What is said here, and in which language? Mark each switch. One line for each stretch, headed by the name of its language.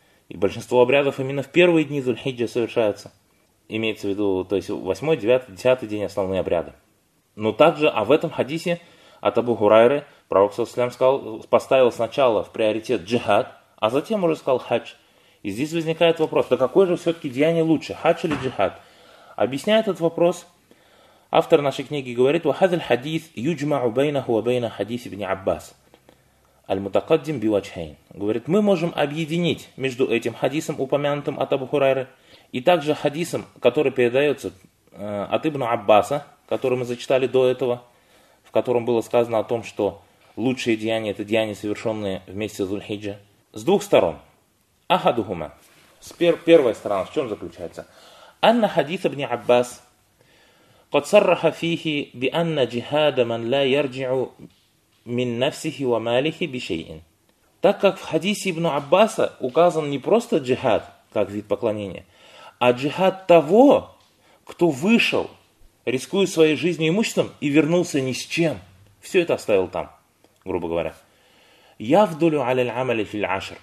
Russian: И большинство обрядов именно в первые дни Зульхиджа совершаются. Имеется в виду, то есть 8, 9, 10 день основные обряды. Но также, а в этом хадисе от Абу Хурайры, пророк саллиллах алейхи вассалям поставил сначала в приоритет джихад, а затем уже сказал хадж. И здесь возникает вопрос, да какое же все-таки деяние лучше, хадж или джихад? Объясняя этот вопрос, автор нашей книги говорит,
Arabic: وَهَذَا الْحَدِيثِ يُجْمَعُ بَيْنَهُ وَبَيْنَ حَدِيثِ بْنِ عَبَّاسِ الْمُتَقَدِّمْ بِوَجْحَيْنِ.
Russian: Говорит, мы можем объединить между этим хадисом, упомянутым от Абу Хурайры, и также хадисом, который передается от Ибн Аббаса, который мы зачитали до этого, в котором было сказано о том, что лучшие деяния – это деяния, совершенные вместе с Зульхиджа. С двух сторон. Ахадухума. Первая сторона в чем заключается?
Arabic: Анна хадис ибн Аббас قد صرح فيه بأن جهاد من لا يرجع من نفسه وماله بشيء.
Russian: Так как в хадисе ибн Аббаса указан не просто джихад, как вид поклонения, а джихад того, кто вышел, рискуя своей жизнью и имуществом, и вернулся ни с чем. Все это оставил там, грубо говоря.
Arabic: Явдулю аляль амали филь ашр.